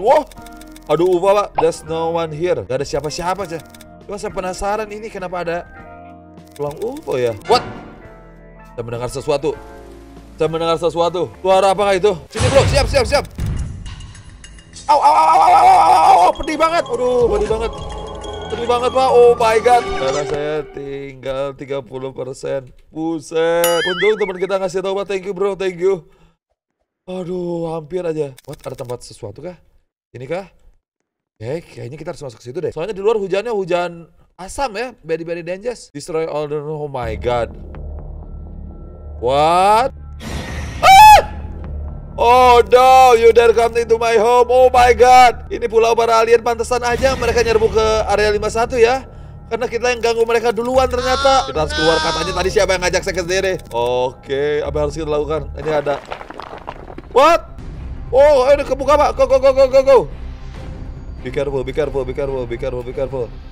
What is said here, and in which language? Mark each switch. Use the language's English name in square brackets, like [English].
[Indonesian] Wah, aduh [English] Uva pak, there's no one here. [Indonesian] Gak ada siapa-siapa aja. Cuma saya penasaran ini kenapa ada pulang Uva ya. What? Saya mendengar sesuatu. Suara apa itu? Sini bro, siap. Au, pedih banget. Aduh, pedih banget pak, [English] oh my god. [Indonesian] Karena saya tinggal 30%. Buset. Untung teman kita ngasih tahu pak, [English] thank you bro. [Indonesian] Aduh, hampir aja. What, ada tempat sesuatu kah? Ini kah? Kayaknya kita harus masuk ke situ deh. Soalnya di luar hujannya hujan asam ya. [English] Very dangerous. Destroy all the... Oh my god. What? Oh no, you dare come into my home. Oh my god. [Indonesian] Ini pulau para alien, pantesan aja mereka nyerbu ke area 51 ya. Karena kita yang ganggu mereka duluan ternyata. Kita harus keluar, katanya tadi siapa yang ngajak saya ke sendiri. Oke, okay, apa yang harus kita lakukan? Ini ada... What? Oh, ini kebuka pak. [English] Go. Be careful.